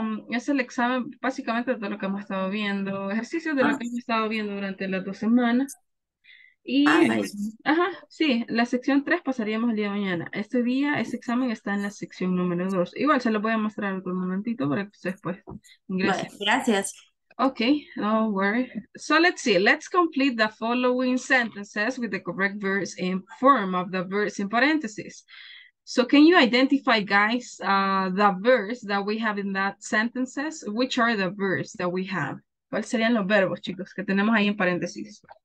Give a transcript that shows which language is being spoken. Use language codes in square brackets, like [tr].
[es] Es el examen, básicamente, de lo que hemos estado viendo, ejercicios de lo que hemos estado viendo durante las 2 semanas. Y, ajá, sí, la sección 3 pasaríamos el día de mañana. Este día, ese examen está en la sección número 2. Igual se lo voy a mostrar en un momentito para que ustedes pues Vale, ingresen. gracias. [en] Ok, no worry. So let's see, let's complete the following sentences with the correct verbs in form of the verbs in parentheses. So can you identify, guys, the verbs that we have in that sentences? Which are the verbs that we have? [es] ¿Cuáles serían los verbos, chicos, que tenemos ahí en paréntesis?